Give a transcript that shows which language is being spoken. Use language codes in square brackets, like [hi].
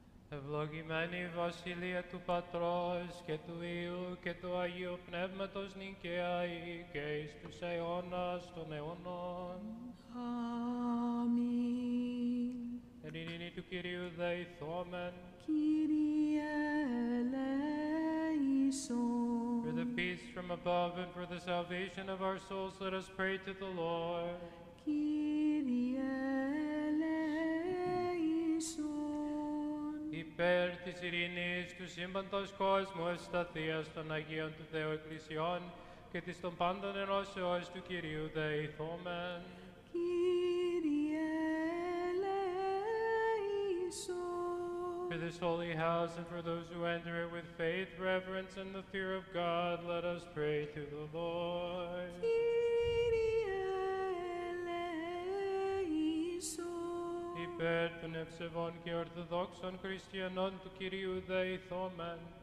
[el] Ευλογημένη Βασιλεία του Πατρός και του Υιού και του Αγίου Πνεύματος νυν και αεί και εις τους αιώνας των αιώνων. Αμήν. Εν ειρήνη του Κυρίου δεηθώμεν. Κύριε ελέησον. [en] For the peace from above and for the salvation of our souls, let us pray to the Lord. [el] Κύριε ελέησον. Υπέρ της ειρήνης του σύμπαντος κόσμου, τα θείας των Αγίων του Θεού Εκκλησιών και της των πάντων ενώσεως του Κυρίου δεηθώμεν. Κύριε ελέησον. [en] For this holy house and for those who enter it with faith, reverence and the fear of God, let us pray to the Lord. [el] Κύριε ελέησον. Υπέρ των ευσεβών και ορθοδόξων χριστιανών του Κυρίου δεηθώμεν.